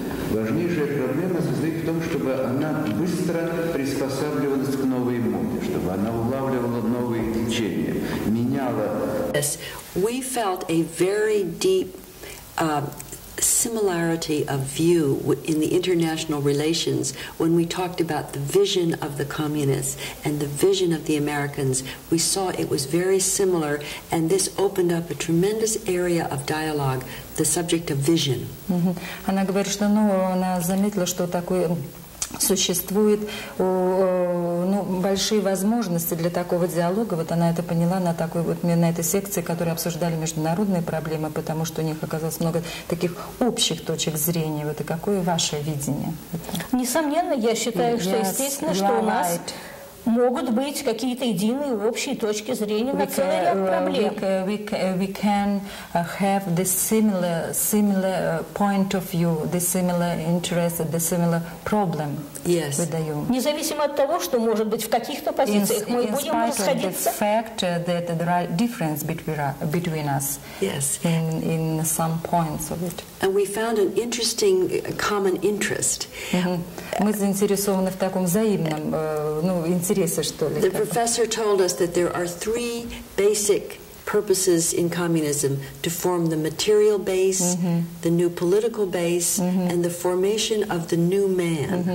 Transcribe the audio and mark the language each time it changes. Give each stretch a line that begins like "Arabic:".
Russian: Важнейшая проблема состоит в том, чтобы она быстро приспосабливалась к новой моде, чтобы она улавливала новые течения, меняла.
English: Yes, we felt a very deep similarity of view in the international relations when we talked about the vision of the communists and the vision of the Americans. We saw it was very similar, and this opened up a tremendous area of dialogue, the subject of vision.
Russian: Она говорит, что она заметила, что такое существует большие возможности для такого диалога. Вот она это поняла на такой вот на этой секции, которые обсуждали международные проблемы, потому что у них оказалось много таких общих точек зрения. Вот и какое ваше видение? Несомненно, я считаю, что естественно, что у нас могут быть какие-то единые общие точки зрения на целый ряд проблем.
English: We can have the similar point of view, the similar interest, the similar problem. Yes.
Russian: Независимо от того, что может быть в каких-то позициях мы будем расходиться.
English: In spite of the fact that there are differences between us. Yes. In some points of it. And we found an interesting common interest.
Russian: Мы заинтересованы в таком взаимном, интересе, что ли.
English: The professor told us that there are three basic purposes in communism: to form the material base, the new political base, and the formation of the new man.